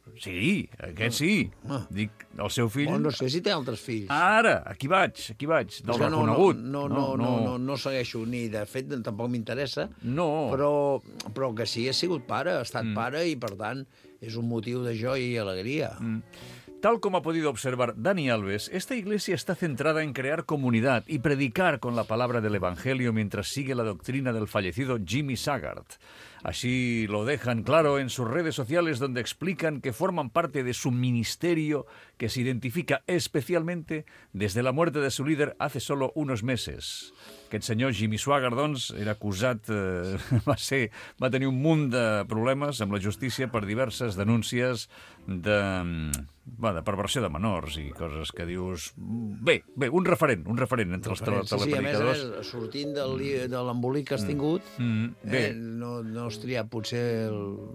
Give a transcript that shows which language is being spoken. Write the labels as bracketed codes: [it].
[ca] Sí, aquest sí. Dic, el seu fill... Bon, no sé si té altres fills. Ara, aquí vaig, aquí vaig. Del no, reconegut. No, segueixo ni, de fet, tampoc m'interessa. No. Però que sí, ha sigut pare, ha estat pare, i per tant, és un motiu de joia i alegria. [es] Tal com ha podido observar Dani Alves, esta iglesia está centrada en crear comunidad y predicar con la palabra del Evangelio mientras sigue la doctrina del fallecido Jimmy Swaggart. Así lo dejan claro en sus redes sociales, donde explican que forman parte de su ministerio, que se identifica especialmente desde la muerte de su líder hace solo unos meses. [ca] Que el senyor Jimmy Swaggart, doncs, era acusat, va tenir un munt de problemes amb la justícia per diverses denúncies de perversió de menors i coses que dius... Bé, un referent entre els telepredicadors. Sí, a més, sortint de l'embolic que has tingut, no has triat potser el...